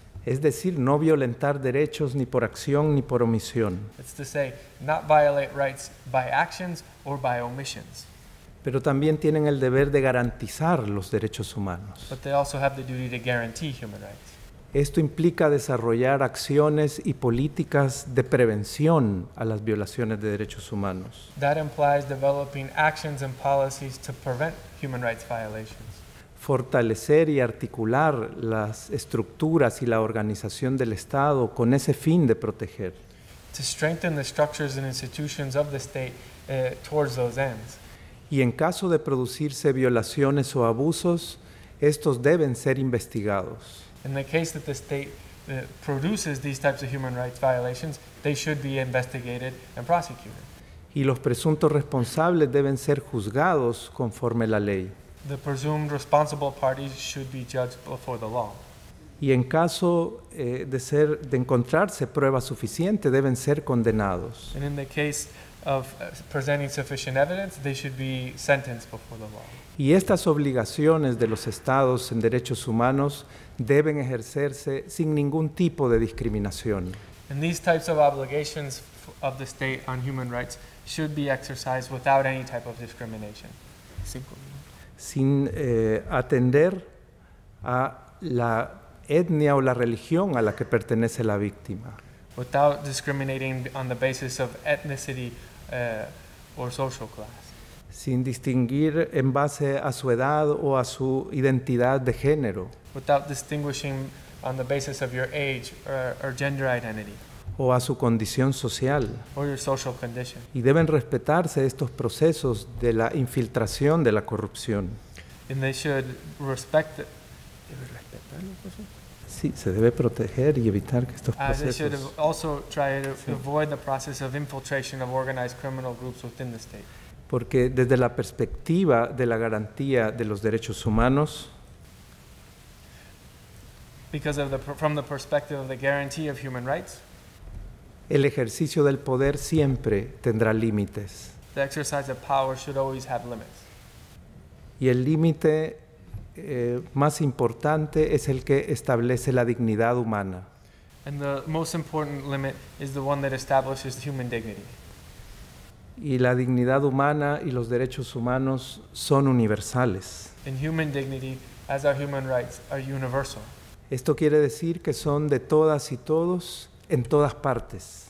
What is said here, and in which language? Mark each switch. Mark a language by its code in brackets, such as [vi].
[es] Es decir, no violentar derechos ni por acción ni por omisión. [en] It's to say, not violate rights by actions or by omissions. [es] Pero también tienen el deber de garantizar los derechos humanos. [en] But they also have the duty to guarantee human rights. [es] Esto implica desarrollar acciones y políticas de prevención a las violaciones de derechos humanos. [en] That implies developing actions and policies to prevent human rights violations. [es] Fortalecer y articular las estructuras y la organización del Estado con ese fin de proteger. [en] To strengthen the structures and institutions of the state towards those ends. [es] Y en caso de producirse violaciones o abusos, estos deben ser investigados. [en] In the case that the state produces these types of human rights violations, they should be investigated and prosecuted. [es] Y los presuntos responsables deben ser juzgados conforme la ley. [en] The presumed responsible parties should be judged before the law. [es] Y en caso de encontrarse prueba suficiente, deben ser condenados. [en] And in the case of presenting sufficient evidence, they should be sentenced before the law. [es] Y estas obligaciones de los estados en derechos humanos deben ejercerse sin ningún tipo de discriminación. [en] And these types of obligations of the state on human rights should be exercised without any type of discrimination. [es] Sin atender a la etnia o la religión a la que pertenece la víctima. [en] Without discriminating on the basis of ethnicity or social class. [es] Sin distinguir en base a su edad o a su identidad de género. [en] Without distinguishing on the basis of your age or gender identity. [es] O a su condición social. [en] Or your social condition. [es] Y deben respetarse estos procesos de la infiltración de la corrupción. [en] And they should respect the... [es] Sí, se debe proteger y evitar que estos procesos... [en] They should also try to avoid the process of infiltration of organized criminal groups within the state. [es] Porque desde la perspectiva de la garantía de los derechos humanos... [en] Because of the, from the perspective of the guarantee of human rights... [es] El ejercicio del poder siempre tendrá límites. [en] The exercise of power should always have limits. [es] Y el límite más importante es el que establece la dignidad humana. [en] And the most important limit is the one that establishes human dignity. [es] Y la dignidad humana y los derechos humanos son universales. [en] And human dignity, as are human rights, are universal. [es] Esto quiere decir que son de todas y todos en todas partes.